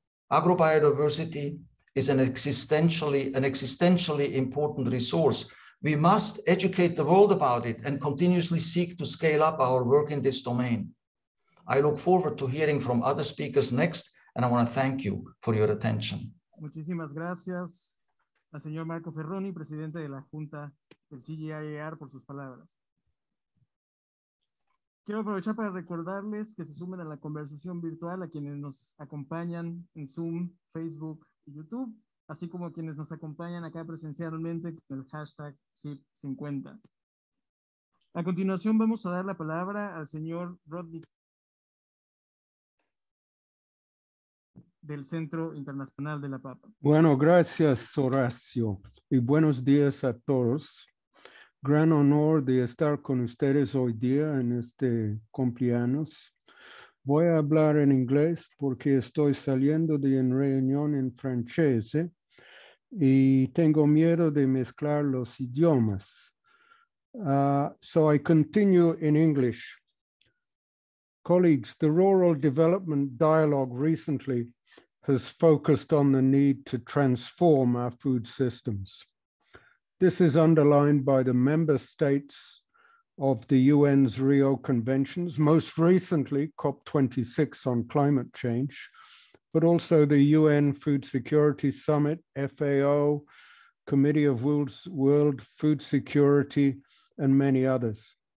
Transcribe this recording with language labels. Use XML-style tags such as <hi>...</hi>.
<en>Agrobiodiversity is an existentially important resource. We must educate the world about it and continuously seek to scale up our work in this domain. I look forward to hearing from other speakers next, and I want to thank you for your attention.</en> <es>Muchísimas gracias al señor Marco Ferroni, presidente de la Junta del CGIAR, por sus palabras. Quiero aprovechar para recordarles que se sumen a la conversación virtual a quienes nos acompañan en Zoom, Facebook y YouTube, así como a quienes nos acompañan acá presencialmente con el hashtag CIP50. A continuación vamos a dar la palabra al señor Rodney del Centro Internacional de la Papa. Bueno, gracias, Horacio, y buenos días a todos. Gran honor de estar con ustedes hoy día en este cumpleaños. Voy a hablar en inglés porque estoy saliendo de una reunión en francés y tengo miedo de mezclar los idiomas.</es> <en>So I continue in English. Colleagues, the Rural Development Dialogue recently has focused on the need to transform our food systems. This is underlined by the member states of the UN's Rio Conventions, most recently COP26 on climate change, but also the UN Food Security Summit, FAO, Committee of World Food Security, and many others.</en>